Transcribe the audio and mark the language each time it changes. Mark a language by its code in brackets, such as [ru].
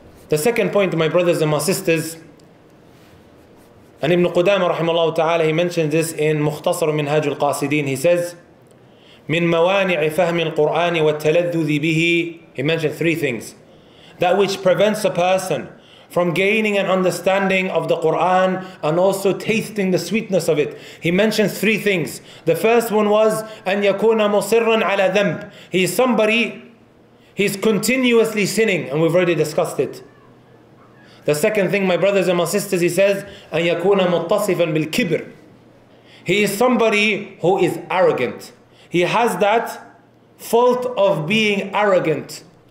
[en] The second point, my brothers and my sisters, and Ibn Qudamah rahimahullah ta'ala, he mentions this in Mukhtasar min Hajj al-Qasidin. He says, [ar] من موانع فهم القرآن والتلذذ به, [en] he mentioned three things. That which prevents a person from gaining an understanding of the Qur'an and also tasting the sweetness of it. He mentions three things. The first one was, [ar] أن يكون مصرًا على ذنب. [en] He is somebody, he's continuously sinning, and we've already discussed it. The second thing, my brothers and my sisters, he says, [ar] أن يكون متصفًا بالكبر. [en] He is somebody who is arrogant. He has that fault of being arrogant.